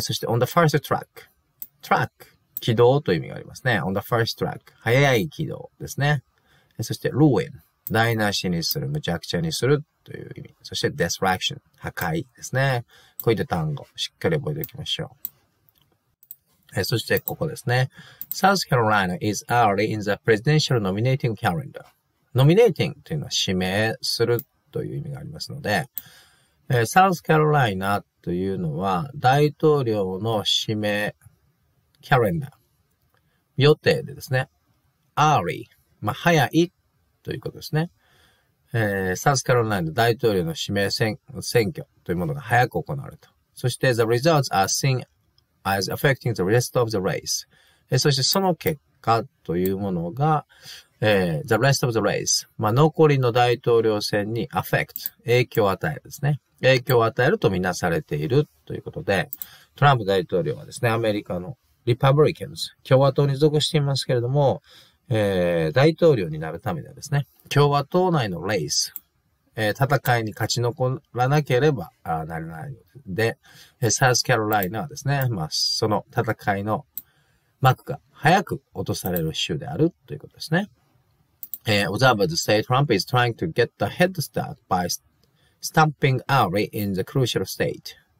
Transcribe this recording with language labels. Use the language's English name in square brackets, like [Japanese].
[Japanese] そして [English] on the first track [Japanese] track軌道という意味がありますね。 [English] On the first track. [Japanese] 早い軌道ですね。そして ruin. 台無しにする、むちゃくちゃにするという意味。そして destruction. 破壊ですね。こういった単語、しっかり覚えておきましょう。そしてここですね。 [English] South Carolina is early in the presidential nominating calendar. [Japanese] Nominating というのは指名するという意味がありますので、South Carolina というのは大統領の指名、キャレンダー。予定でですね。early。まあ、早いということですね。サウスカロライナ大統領の指名選挙というものが早く行われた。 [English] そして、the results are seen as affecting the rest of the race。 [Japanese] そして、その結果というものが、 [English] the rest of the race。 [Japanese] まあ、残りの大統領選に affect、影響を与えるですね。影響を与えるとみなされているということで、トランプ大統領はですね、アメリカのリパブリカンズ、共和党に属していますけれども、大統領になるためにはですね、共和党内のレース、戦いに勝ち残らなければなれないので、サウスカロライナはですね、まあ、その戦いの幕が早く落とされる州であるということですね。 [English] Observers say Trump is trying to get the head start by stamping early in the crucial state.